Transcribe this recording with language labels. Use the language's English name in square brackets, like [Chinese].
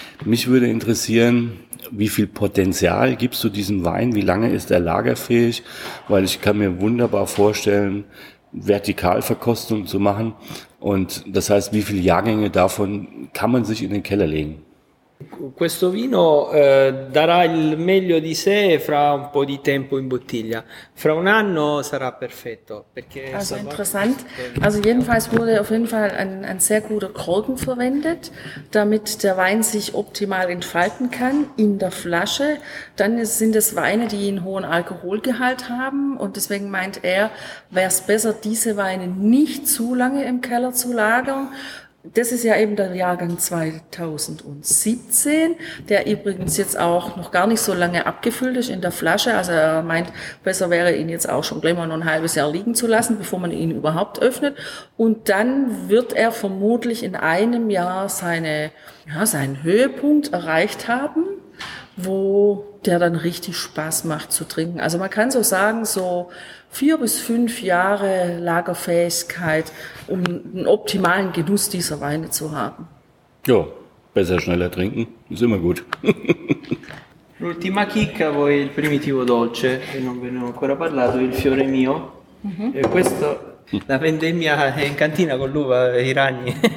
[German] Mich würde interessieren, wie viel Potenzial gibst du diesem Wein? Wie lange ist er lagerfähig? Weil ich kann mir wunderbar vorstellen, Vertikalverkostung zu machen. Und das heißt, wie viele Jahrgänge davon kann man sich in den Keller legen? [Italian] Questo vino darà il meglio di sé fra un po' di tempo in bottiglia. Fra un anno sarà perfetto. Perché [German] also interessant. Also jedenfalls wurde auf jeden Fall ein sehr guter Korken verwendet, damit der Wein sich optimal entfalten kann in der Flasche. Dann sind es Weine, die einen hohen Alkoholgehalt haben. Und deswegen meint er, wäre es besser, diese Weine nicht zu lange im Keller zu lagern. Das ist ja eben der Jahrgang 2017, der übrigens jetzt auch noch gar nicht so lange abgefüllt ist in der Flasche. Also er meint, besser wäre ihn jetzt auch schon gleich mal noch ein halbes Jahr liegen zu lassen, bevor man ihn überhaupt öffnet. Und dann wird er vermutlich in einem Jahr seinen Höhepunkt erreicht haben, wo der dann richtig Spaß macht zu trinken. Also man kann so sagen, so 4 bis 5 Jahre Lagerfähigkeit, um einen optimalen Genuss dieser Weine zu haben. Ja, besser schneller trinken, ist immer gut. [Italian] L'ultima chicca, poi il primitivo dolce, che non ve ne ho ancora parlato, il fiore mio. Mm-hmm. Questo, la vendemmia è in cantina con l'uva, i ragni.